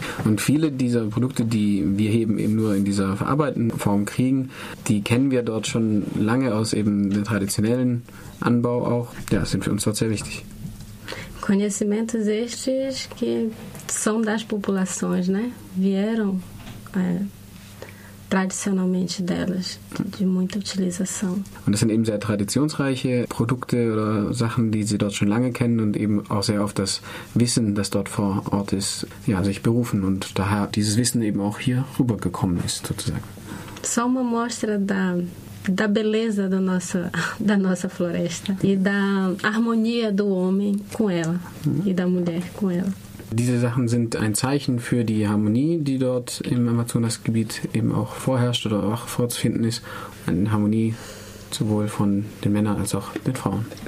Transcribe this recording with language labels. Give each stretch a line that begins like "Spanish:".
German: Und viele dieser Produkte, die wir eben nur in dieser verarbeiteten Form kriegen, die kennen wir dort schon lange aus eben dem traditionellen Anbau auch. Ja, sind für uns dort sehr wichtig.
Portuguese: Conhecimentos estes que são das populações, né? Vieram tradicionalmente delas, de muita utilização.
German: Und das sind eben sehr traditionsreiche Produkte oder Sachen, die sie dort schon lange kennen und eben auch sehr auf das Wissen, das dort vor Ort ist, ja, sich berufen und daher dieses Wissen eben auch hier rübergekommen ist, sozusagen.
Portuguese: Só uma mostra da beleza da nossa floresta e da harmonia do homem com ela e da mulher com ela.
German: Diese Sachen sind ein Zeichen für die Harmonie, die dort im Amazonasgebiet eben auch vorherrscht oder auch vorzufinden ist. Eine Harmonie sowohl von den Männern als auch den Frauen.